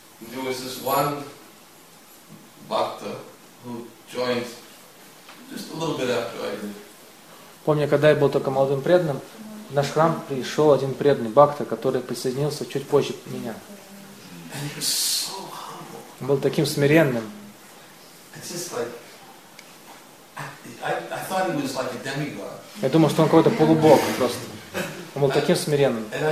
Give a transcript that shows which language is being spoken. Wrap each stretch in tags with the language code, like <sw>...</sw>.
<en>There was this one bhakta who joined just a little bit after I did.</en> <ru>Помню, когда я был только молодым преданным, в наш храм пришел один преданный бхакта, который присоединился чуть позже меня.</ru> <en>And he was so humble.</en> <ru>Он был таким смиренным.</ru> <en>It's just like I thought he was like a demigod.</en> <ru>Я думал, что он какой-то полубог просто. Он был таким смиренным.</ru>